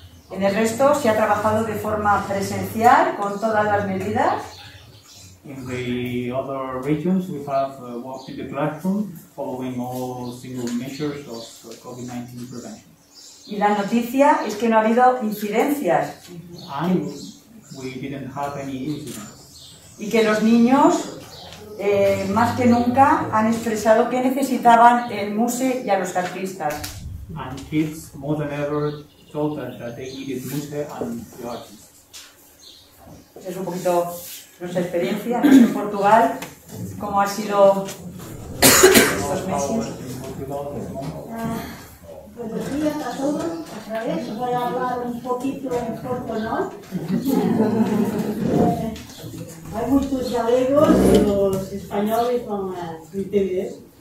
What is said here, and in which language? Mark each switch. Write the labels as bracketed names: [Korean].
[Spanish] En el resto se ha trabajado de forma presencial con todas las medidas. [English] In the other regions we have worked in the classroom following all single measures of COVID-19 prevention. [Spanish] Y la noticia es que no ha habido incidencias. [English] And we didn't have any incidents. [Spanish] Y que los niños más que nunca han expresado que necesitaban el MUSE y a los artistas. [English] And kids more than ever told us that they needed MUSE and the artists. [Spanish] Es un poquito nuestra experiencia, no sé en Portugal cómo ha sido estos meses. Buenos días a todos, otra vez voy a hablar un poquito en corto, ¿no? Hay muchos galegos y los españoles con criterios.